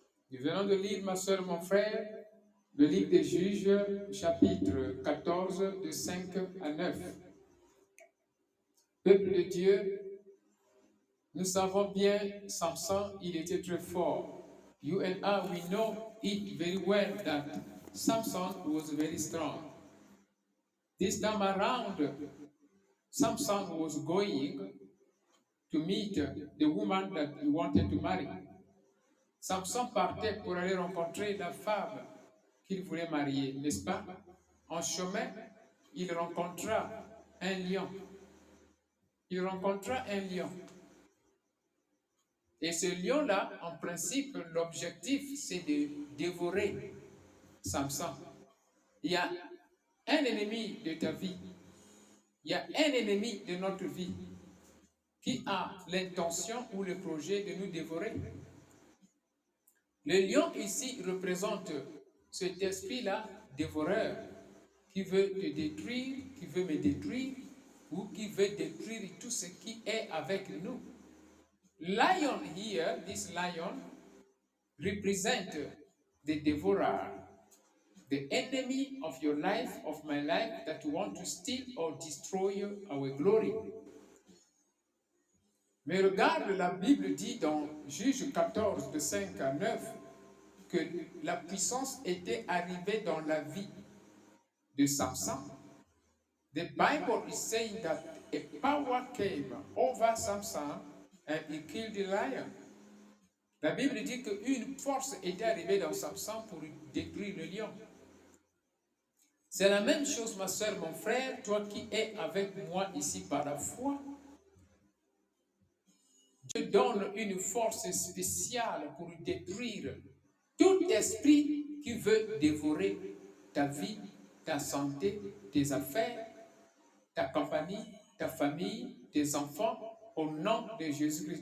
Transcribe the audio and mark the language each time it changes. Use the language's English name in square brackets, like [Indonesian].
[French] Nous venons de lire, ma soeur, mon frère, le livre des Juges, chapitre 14, de 5 à 9. Peuple de Dieu, nous savons bien, Samson, il était très fort. [English] You and I, we know it very well that Samson was very strong. This time around, Samson was going to meet the woman that he wanted to marry. [French] Samson partait pour aller rencontrer la femme qu'il voulait marier, n'est-ce pas? En chemin, il rencontra un lion. Il rencontra un lion. Et ce lion-là, en principe, l'objectif, c'est de dévorer Samson. Il y a un ennemi de ta vie. Il y a un ennemi de notre vie qui a l'intention ou le projet de nous dévorer. Le lion ici représente cet esprit-là, dévoreur, qui veut te détruire, qui veut me détruire, ou qui veut détruire tout ce qui est avec nous. [English] Lion here, this lion, represents the devourer. The enemy of your life, of my life, that want to steal or destroy our glory. [French] Mais regarde, la Bible dit dans Juges 14, de 5 à 9, que la puissance était arrivée dans la vie de Samson. [English] The Bible is saying that a power came over Samson and he killed the lion. [French] La Bible dit qu'une force était arrivée dans Samson pour détruire le lion. C'est la même chose, ma soeur, mon frère, toi qui es avec moi ici par la foi. Dieu donne une force spéciale pour détruire tout esprit qui veut dévorer ta vie, ta santé, tes affaires, ta compagnie, ta famille, tes enfants, au nom de Jésus-Christ.